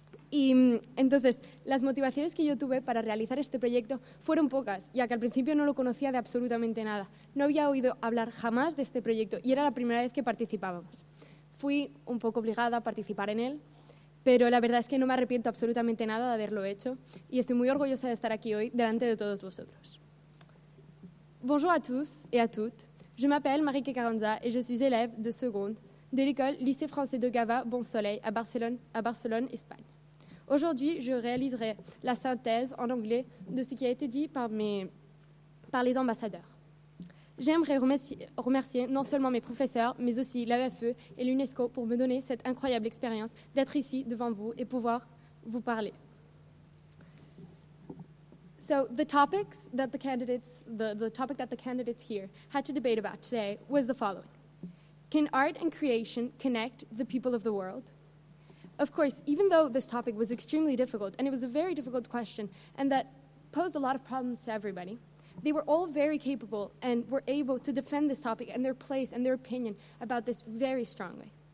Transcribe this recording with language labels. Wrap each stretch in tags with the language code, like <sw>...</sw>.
<es>Y entonces, las motivaciones que yo tuve para realizar este proyecto fueron pocas, ya que al principio no lo conocía de absolutamente nada. No había oído hablar jamás de este proyecto y era la primera vez que participábamos. Fui un poco obligada a participar en él, pero la verdad es que no me arrepiento absolutamente nada de haberlo hecho y estoy muy orgullosa de estar aquí hoy delante de todos vosotros.</es> <fr>Bonjour à tous et à toutes. Je m'appelle Marique Carranza et je suis élève de seconde de l'école Lycée Français de Gavà Bon Soleil à Barcelone, Espagne. Aujourd'hui, je réaliserai la synthèse en anglais de ce qui a été dit par les ambassadeurs. J'aimerais remercier non seulement mes professeurs, mais aussi l'AFE et l'UNESCO pour me donner cette incroyable expérience d'être ici devant vous et pouvoir vous parler.</fr> <en>So the topic that the candidates here had to debate about today was the following. Can art and creation connect the people of the world? Of course, even though this topic was extremely difficult, and it was a very difficult question, and that posed a lot of problems to everybody, they were all very capable and were able to defend this topic and their place and their opinion about this very strongly.</en>